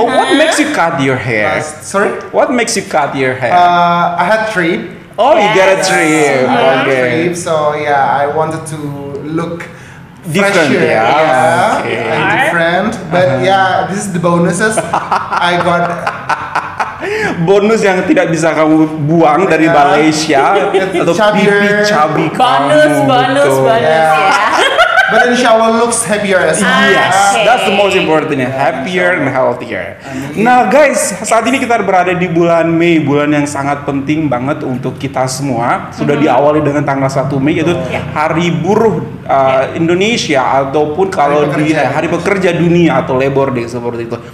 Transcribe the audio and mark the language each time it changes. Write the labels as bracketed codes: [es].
[en] Oh, what makes you cut your hair? What makes you cut your hair? I had trip. Oh, yes. You got a trip. Yes. Mm-hmm. Okay. Trip, so yeah, I wanted to look different, fresher, yeah. Yeah. Okay. And different, but uh-huh. Yeah, this is the bonuses I got. [id] Bonus yang tidak bisa kamu buang dari Malaysia atau pipi chubby kamu. [en] Bonus. Yeah. But insyaallah looks happier as well. Yes, okay. That's the most important, yeah. Happier and healthier. [id] Nah guys, saat ini kita berada di bulan Mei, bulan yang sangat penting banget untuk kita semua. Sudah diawali dengan tanggal 1 Mei, yaitu Hari Buruh Indonesia, ataupun kalau di Hari Pekerja Dunia atau Labor Day seperti itu.